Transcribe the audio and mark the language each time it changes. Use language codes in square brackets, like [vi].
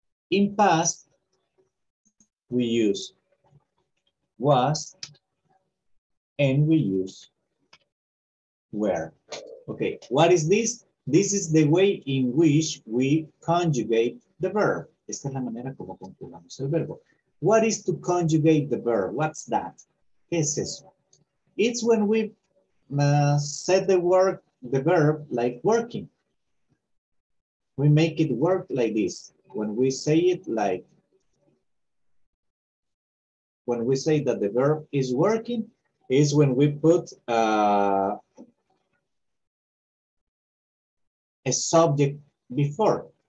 [en] In past, we use was and we use were. Okay, what is this? This is the way in which we conjugate the verb. [es] Esta es la manera como conjugamos el verbo. [en] What is to conjugate the verb? What's that? [es] ¿Qué es eso? [en] It's when we set the verb like working. We make it work like this. When we say it like, when we say that the verb is working, is when we put a subject before.